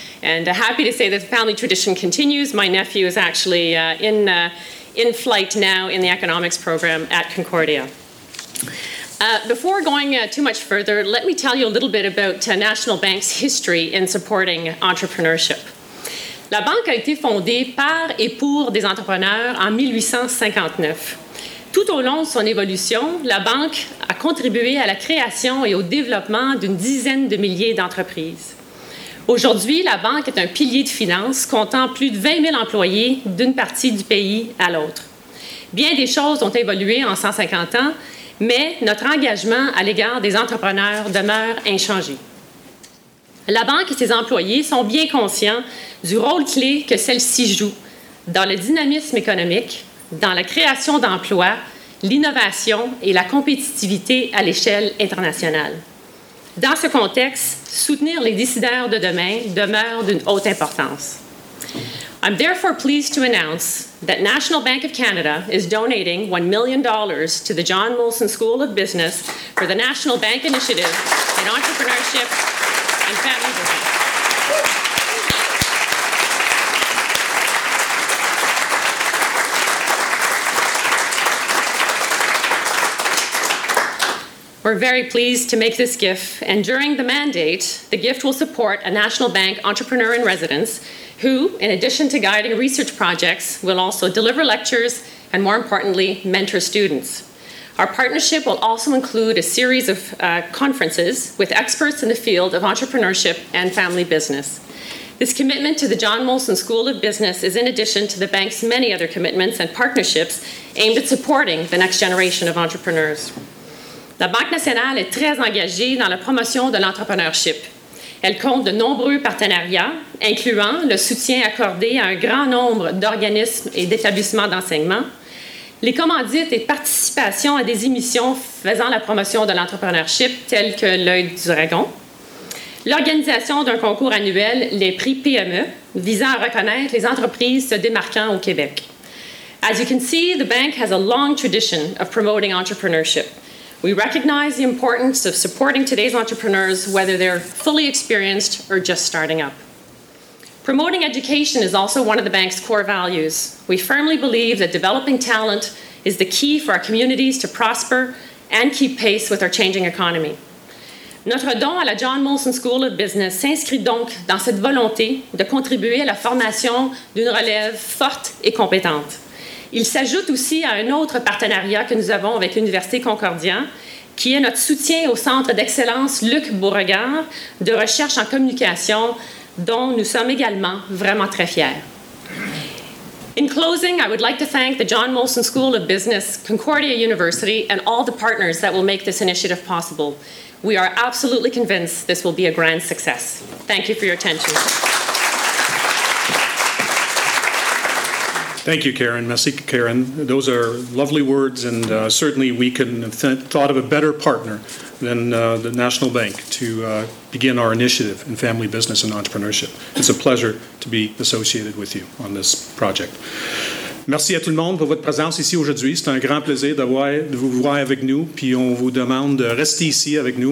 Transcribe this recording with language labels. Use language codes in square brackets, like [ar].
[en] And happy to say that the family tradition continues. My nephew is actually in flight now in the economics program at Concordia. Before going too much further, let me tell you a little bit about National Bank's history in supporting entrepreneurship. [fr] La banque a été fondée par et pour des entrepreneurs en 1859. Tout au long de son évolution, la banque a contribué à la création et au développement d'une dizaine de milliers d'entreprises. Aujourd'hui, la banque est un pilier de finances comptant plus de 20 000 employés d'une partie du pays à l'autre. Bien des choses ont évolué en 150 ans, mais notre engagement à l'égard des entrepreneurs demeure inchangé. La banque et ses employés sont bien conscients du rôle clé que celle-ci joue dans le dynamisme économique, dans la création d'emplois, l'innovation et la compétitivité à l'échelle internationale. Dans ce contexte, soutenir les décideurs de demain demeure d'une haute importance. [en] I'm therefore pleased to announce that National Bank of Canada is donating $1 million to the John Molson School of Business for the National Bank Initiative in Entrepreneurship and Family Business. We're very pleased to make this gift, and during the mandate, the gift will support a National Bank entrepreneur in residence who, in addition to guiding research projects, will also deliver lectures and, more importantly, mentor students. Our partnership will also include a series of conferences with experts in the field of entrepreneurship and family business. This commitment to the John Molson School of Business is in addition to the bank's many other commitments and partnerships aimed at supporting the next generation of entrepreneurs. [fr] La Banque Nationale est très engagée dans la promotion de l'entrepreneurship. Elle compte de nombreux partenariats, incluant le soutien accordé à un grand nombre d'organismes et d'établissements d'enseignement, les commandites et participations à des émissions faisant la promotion de l'entrepreneurship, telles que l'Œil du Dragon, l'organisation d'un concours annuel, les Prix PME, visant à reconnaître les entreprises se démarquant au Québec. [en] As you can see, the bank has a long tradition of promoting entrepreneurship. We recognize the importance of supporting today's entrepreneurs, whether they're fully experienced or just starting up. Promoting education is also one of the bank's core values. We firmly believe that developing talent is the key for our communities to prosper and keep pace with our changing economy. [fr] Notre don à la John Molson School of Business s'inscrit donc dans cette volonté de contribuer à la formation d'une relève forte et compétente. Il s'ajoute aussi à un autre partenariat que nous avons avec l'Université Concordia, qui est notre soutien au Centre d'excellence Luc Beauregard de recherche en communication, dont nous sommes également vraiment très fiers. [en] In closing, I would like to thank the John Molson School of Business, Concordia University, and all the partners that will make this initiative possible. We are absolutely convinced this will be a grand success. Thank you for your attention. Thank you, Karen. [fr] Merci, Karen. [en] Those are lovely words, and certainly we can thought of a better partner than the National Bank to begin our initiative in family business and entrepreneurship. It's a pleasure to be associated with you on this project. [fr] Merci à tout le monde pour votre présence ici aujourd'hui. C'est un grand plaisir de vous voir avec nous, puis on vous demande de rester ici avec nous.